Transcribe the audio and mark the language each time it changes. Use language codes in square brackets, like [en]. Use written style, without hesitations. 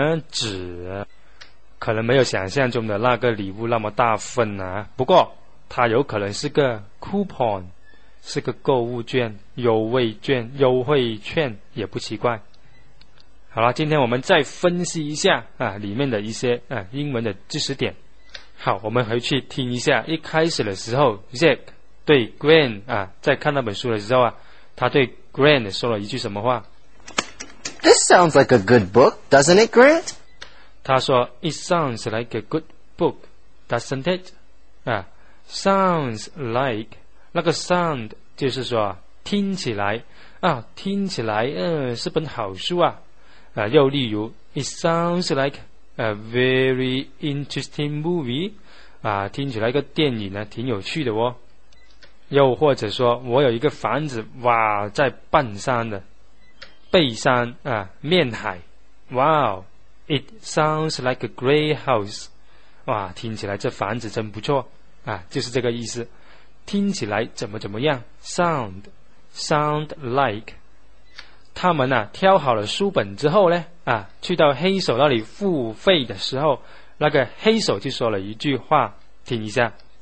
[zh] 纸可能没有想象中的那个礼物那么大份啊，不过它有可能是个 coupon， 是个购物券、优惠券、优惠券也不奇怪。好了，今天我们再分析一下啊里面的一些啊英文的知识点。好，我们回去听一下一开始的时候 ，Zack 对 Grant 啊在看那本书的时候啊，他对 Grant 说了一句什么话 [en] ？This sounds like a good book, doesn't it, Grant？ [zh] 他说 [en] ：“It sounds like a good book, doesn't it？” 啊。 [zh] Sounds like 那个 sound 就是说听起来啊，听起来是本好书啊，又例如 [en] It sounds like a very interesting movie [zh] 啊，听起来一个电影呢挺有趣的哦。又或者说我有一个房子，哇，在半山的背山啊，面海。 [en] Wow, it sounds like a great house. [zh] 哇，听起来这房子真不错啊，就是这个意思。听起来怎么怎么样， sound like。他们啊挑好了书本之后呢啊，去到黑手那里付费的时候，那个黑手就说了一句话，听一下。